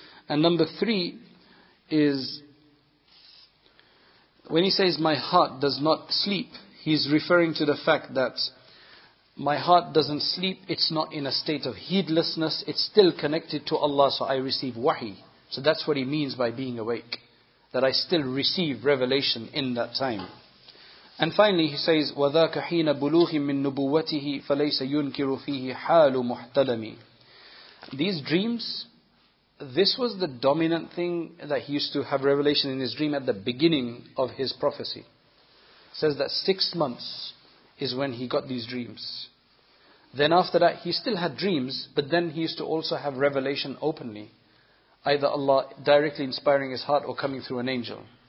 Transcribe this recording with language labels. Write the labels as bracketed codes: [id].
[en] And number three is, when he says my heart does not sleep, he's referring to the fact that My heart doesn't sleep. It's not in a state of heedlessness. It's still connected to Allah, so I receive wahi. So that's what he means by being awake, that I still receive revelation in that time. And finally, he says, [ar] وَذَاكَ حِينَ بُلُوْهِ مِن نُبُوَّتِهِ فَلَيْسَ يُنْكِرُ فِيهِ حَالُ مُحْتَلَمِ. [en] These dreams, this was the dominant thing, that he used to have revelation in his dream at the beginning of his prophecy. Says that 6 months is when he got these dreams. Then after that, he still had dreams, but then he used to also have revelation openly, either Allah directly inspiring his heart or coming through an angel.